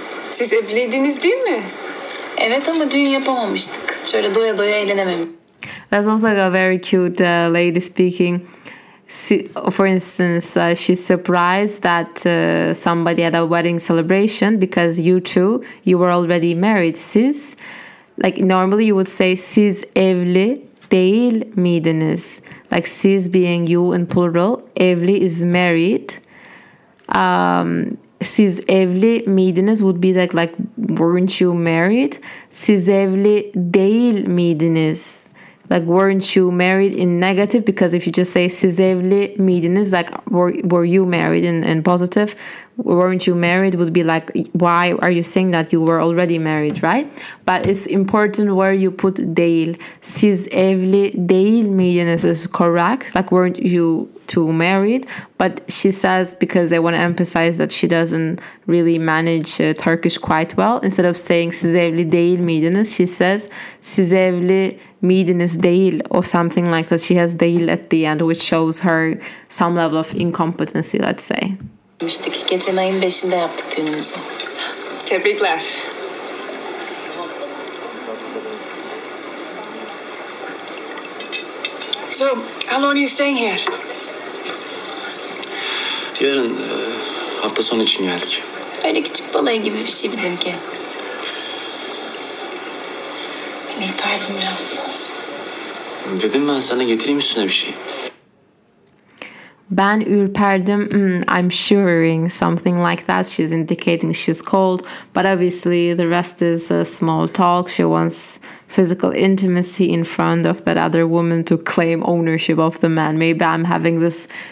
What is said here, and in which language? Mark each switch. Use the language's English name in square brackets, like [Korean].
[Turkish] Siz evlendiniz değil mi? Evet, ama dün yapamamıştık. Şöyle doya doya eğlenememiz. [English] That's also like a very cute lady speaking. For instance, she's surprised that somebody at a wedding celebration, because you two, you were already married. Siz, like normally you would say [Turkish] siz evli değil miydiniz? [English] Like siz being you in plural, evli is married. [Turkish] Siz evli miydiniz [English] would be like weren't you married? [Turkish] Siz evli değil miydiniz? [English] Like, weren't you married in negative? Because if you just say [Turkish] siz evli miydiniz, [English] like, were you married in positive? Weren't you married would be like, why are you saying that? You were already married, right? But it's important where you put değil. [Turkish] Siz evli değil miydiniz [English] is correct. Like, weren't you two married? But she says, because they want to emphasize that she doesn't really manage Turkish quite well, instead of saying [Turkish] siz evli değil miydiniz, [English] she says [Turkish] siz evli miydiniz değil, [English] or something like that. She has değil at the end, which shows her some level of incompetency, let's say. [Turkish] Geçen ayın 5'inde yaptık düğünümüzü. Tebrikler. [English] So, how long are you staying here? [Turkish] Yarın hafta sonu için geldik. Öyle küçük balayı gibi bir şey bizimki. Beni yıkardım biraz. Dedim ben sana, getireyim üstüne bir şey. Ben ürperdim, [English] I'm shivering, something like that. She's indicating she's cold, but obviously the rest is a small talk. She wants physical intimacy in front of that other woman to claim ownership of the man. Maybe I'm having this